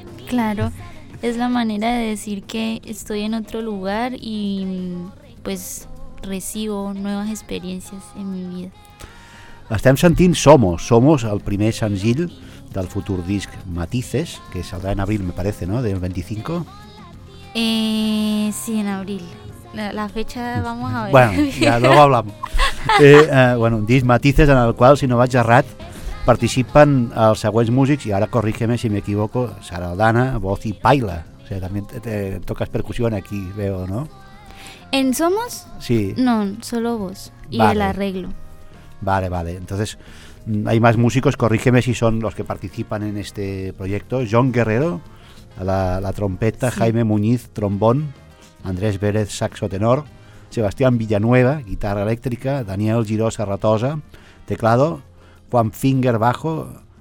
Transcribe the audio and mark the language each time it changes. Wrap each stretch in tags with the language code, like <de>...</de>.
<es>Claro, es la manera de decir que estoy en otro lugar y pues recibo nuevas experiencias en mi vida.</es> <ca>Estem sentint Somos, el primer senzill del futur disc Matices, que saldrà en abril,</ca> <es>me parece, ¿no?</es> <ca>Del 25.</ca> <es>Sí, en abril. La fecha vamos a ver. Bueno, ya luego hablamos.</es> <ca>Bueno, disc Matices en el qual, si no vaig errat, participen els següents músics, i ara corrígeme si m'equivoco, Sara Aldana, voz i paila.</ca> <es>O sea,</es> <ca>també toques percussió aquí, veo, no?</ca> <es>¿En Somos? Sí. No, solo voz y vale. El arreglo. Vale, vale. Entonces, hay más músicos, corrígeme si son los que participan en este proyecto. John Guerrero, la trompeta, sí. Jaime Muñiz, trombón, Andrés Vélez, saxo tenor, Sebastián Villanueva, guitarra eléctrica, Daniel Giró Serratosa, teclado, Juan Finger bajo,</es>